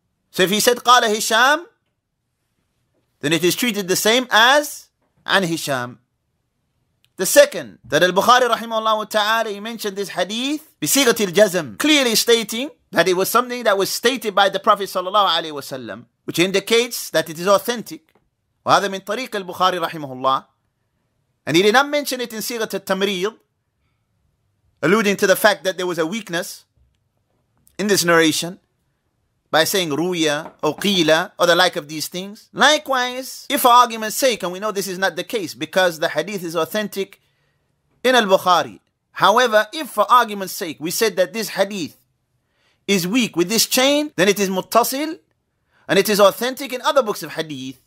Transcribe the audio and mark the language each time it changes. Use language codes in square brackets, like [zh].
[en] So if he said qala Hisham, then it is treated the same as an Hisham. The second, that al-Bukhari rahimahullah ta'ala, he mentioned this hadith bisighati al-jazm, clearly stating that it was something that was stated by the Prophet sallallahu alayhi wa sallam, which indicates that it is authentic. [ar] وَهَذَا مِنْ طَرِيقِ al-Bukhari rahimahullah. [en] And he did not mention it in sighat al-tamrid, alluding to the fact that there was a weakness in this narration by saying ruya or qila or the like of these things. Likewise, if for argument's sake, and we know this is not the case because the hadith is authentic in al-Bukhari, however, if for argument's sake we said that this hadith is weak with this chain, then it is muttasil and it is authentic in other books of hadith.